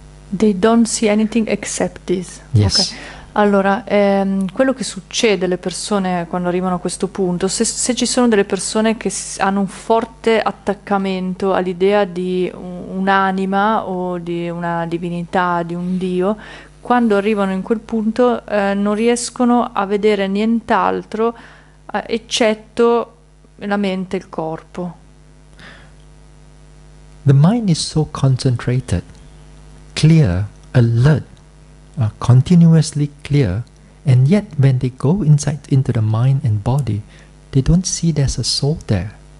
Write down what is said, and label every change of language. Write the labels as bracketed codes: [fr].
[en] They don't see anything except this. Yes. Okay. [it] Allora, quello che succede alle persone quando arrivano a questo punto, se ci sono delle persone che hanno un forte attaccamento all'idea di un'anima o di una divinità, di un dio, quando arrivano in quel punto non riescono a vedere nient'altro eccetto la mente e il corpo. [en] The mind is so concentrated, clear, alert, continuously clear, and yet when they go inside into the mind and body, they don't see there's a soul there.